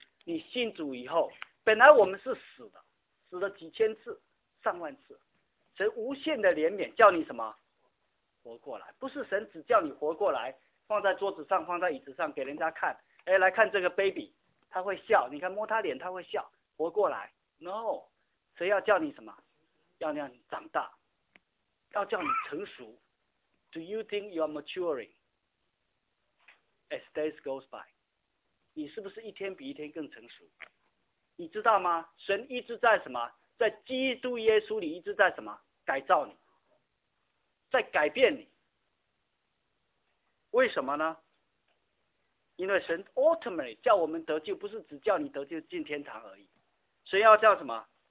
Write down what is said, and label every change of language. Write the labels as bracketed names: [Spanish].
[Chinese] 你信主以后，本来我们是死的，死了几千次上万次，神无限的怜悯叫你什么活过来。不是神只叫你活过来，放在桌子上，放在椅子上给人家看，哎，来看这个 baby，他会笑，你看摸他脸他会笑活过来。 No， 谁要叫你什么？要让你长大，要叫你成熟。 [English] Do you think you are maturing as days goes by？ [Chinese] 你是不是一天比一天更成熟？你知道吗？神一直在什么？在基督耶稣里一直在什么？改造你，在改变你。为什么呢？因为神 ultimately 叫我们得救，不是只叫你得救进天堂而已。神要叫什么？